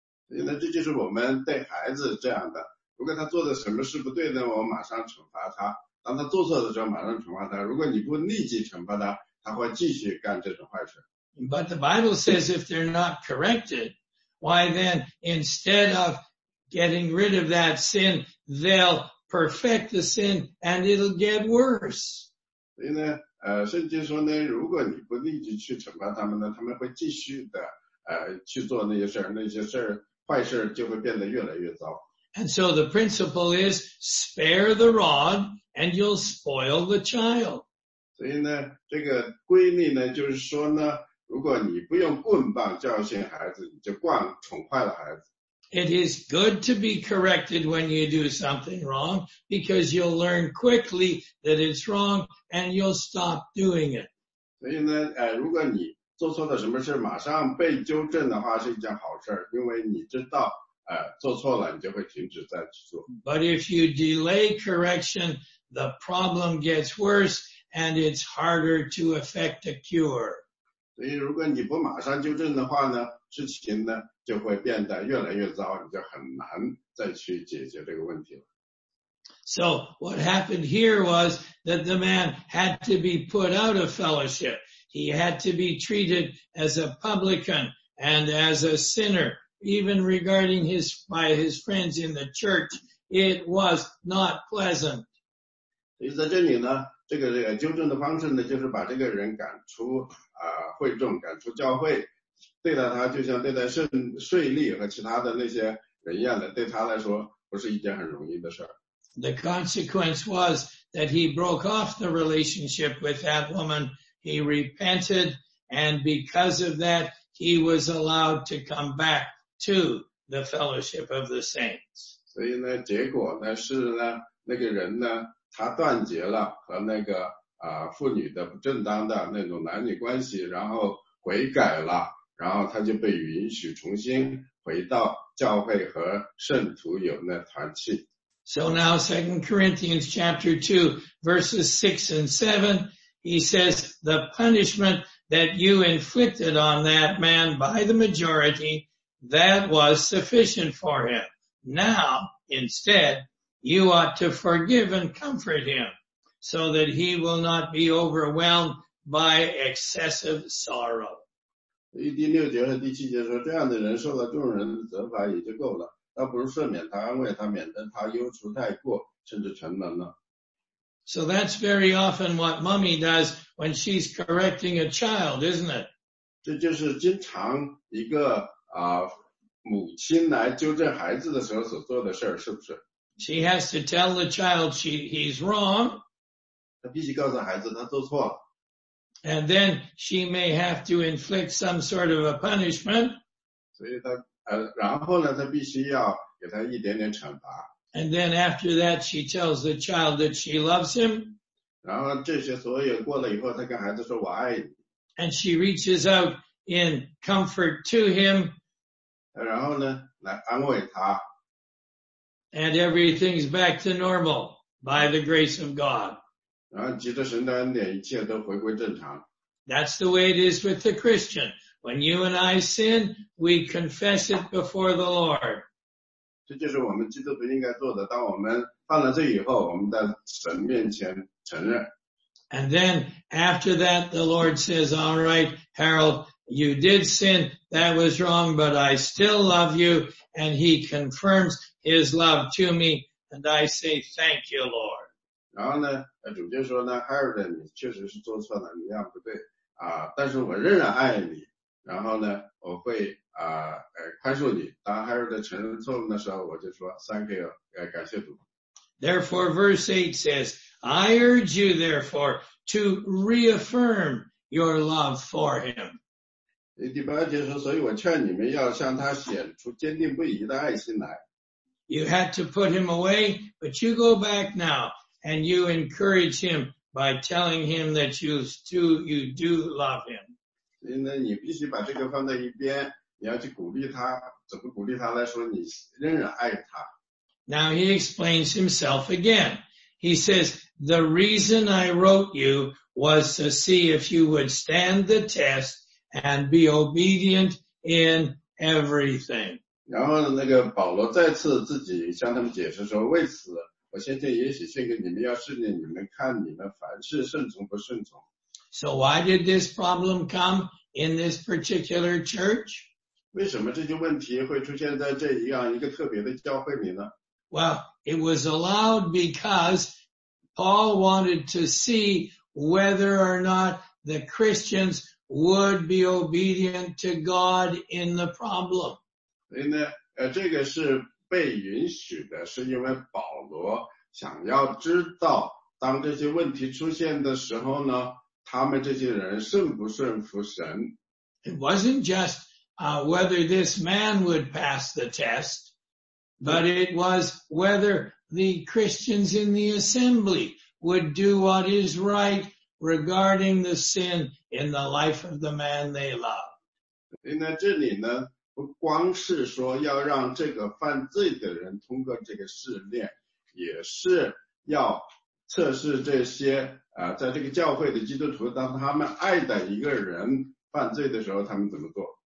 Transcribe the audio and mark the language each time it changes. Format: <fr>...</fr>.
<zh>所以呢，这就是我们对孩子这样的。如果他做的什么事不对呢，我们马上惩罚他。当他做错的时候，马上惩罚他。如果你不立即惩罚他，他会继续干这种坏事。</zh> <en>But the Bible says if they're not corrected, why then instead of getting rid of that sin, they'll perfect the sin and it'll get worse.</en> <zh>所以呢，圣经说呢，如果你不立即去惩罚他们呢，他们会继续的。去做那些事儿，那些事儿坏事就会变得越来越糟。</zh> <en>And so the principle is spare the rod and you'll spoil the child.</en> <zh>所以呢，这个规律呢，就是说呢，如果你不用棍棒教训孩子，你就宠坏了孩子。</zh> <en>It is good to be corrected when you do something wrong because you'll learn quickly that it's wrong and you'll stop doing it.</en> <zh>所以呢，如果你做错的什么事马上被纠正的话是一件好事，因为你知道做错了你就会停止再去做。</zh> <en>But if you delay correction, the problem gets worse and it's harder to effect a cure.</en> <zh>所以如果你不马上纠正的话呢，事情呢就会变得越来越糟，你就很难再去解决这个问题了。</zh> <en>So what happened here was that the man had to be put out of fellowship. He had to be treated as a publican and as a sinner. Even regarding his, by his friends in the church, it was not pleasant.</en> <zh>所以在这里呢，这个纠正的方式呢，就是把这个人赶出会众，赶出教会，对待他就像对待税吏和其他的那些人一样的，对他来说不是一件很容易的事儿。</zh> <en>The consequence was that he broke off the relationship with that woman. He repented, and because of that, he was allowed to come back to the fellowship of the saints.</en> <zh>所以呢，结果呢是呢，那个人呢，他断绝了和那个妇女的不正当的那种男女关系，然后悔改了，然后他就被允许重新回到教会和圣徒有那团契。</zh> <en>So now 2 Corinthians chapter 2 verses 6 and 7, he says the punishment that you inflicted on that man by the majority, that was sufficient for him. Now, instead, you ought to forgive and comfort him so that he will not be overwhelmed by excessive sorrow.</en> <zh>第六节和第七节说，这样的人受了众人的责罚也就够了。倒不如赦免他，安慰他，免得他忧愁太过，甚至沉沦了。</zh> <en>So that's very often what mommy does when she's correcting a child, isn't it?</en> <zh>这就是经常一个母亲来纠正孩子的时候所做的事儿，是不是？</zh> <en>She has to tell the child he's wrong.</en> <zh>她必须告诉孩子他做错了。</zh> <en>And then she may have to inflict some sort of a punishment.</en> <zh>所以她然后呢，他必须要给他一点点惩罚。</zh> <en>And then after that, she tells the child that she loves him.</en> <zh>然后这些所有过了以后，他跟孩子说我爱你。</zh> <en>And she reaches out in comfort to him.</en> <zh>然后呢，来安慰他。</zh> <en>And everything's back to normal by the grace of God.</en> <zh>然后藉着神的恩典，一切都回归正常。</zh> <en>That's the way it is with the Christian. When you and I sin, we confess it before the Lord.</en> <zh>这就是我们基督徒应该做的。当我们犯了罪以后，我们在神面前承认。</zh> <en>And then after that, the Lord says, "All right, Harold, you did sin. That was wrong, but I still love you." And He confirms His love to me, and I say, "Thank you, Lord."</en> <zh>然后呢，主就说呢 ，Harold， 你确实是做错了，你这样不对啊，但是我仍然爱你。然后呢，我会宽恕你。当 Harold 承认错误的时候，我就说</zh> <en>Thank you，</en> <zh>感谢主。</zh> <en>Therefore, verse 8 says, "I urge you, therefore, to reaffirm your love for him."</en> <zh>第八节说，所以我劝你们要向他显出坚定不移的爱心来。</zh> <en>You had to put him away, but you go back now and you encourage him by telling him that you do love him.</en> <zh>所以呢，你必须把这个放在一边，你要去鼓励他，怎么鼓励他来说你仍然爱他。</zh> <en>Now he explains himself again. He says, "The reason I wrote you was to see if you would stand the test and be obedient in everything."</en> <zh>然后那个保罗再次自己向他们解释说，为此我先借也许献给你们，要试验你们，看你们凡事顺从不顺从。</zh> <en>So why did this problem come in this particular church?</en> <zh>为什么这些问题会出现在这样一个特别的教会里呢？</zh> <en>Well, it was allowed because Paul wanted to see whether or not the Christians would be obedient to God in the problem.</en> <zh>所以呢，这个是被允许的，是因为保罗想要知道当这些问题出现的时候呢，他们这些人顺不顺服神。</zh> <en>It wasn't just whether this man would pass the test, but it was whether the Christians in the assembly would do what is right regarding the sin in the life of the man they love.</en> <zh>所以呢，这里呢，不光是说要让这个犯罪的人通过这个试炼，也是要测试这些在这个教会的基督徒，当他们爱的一个人犯罪的时候，他们怎么做。</zh>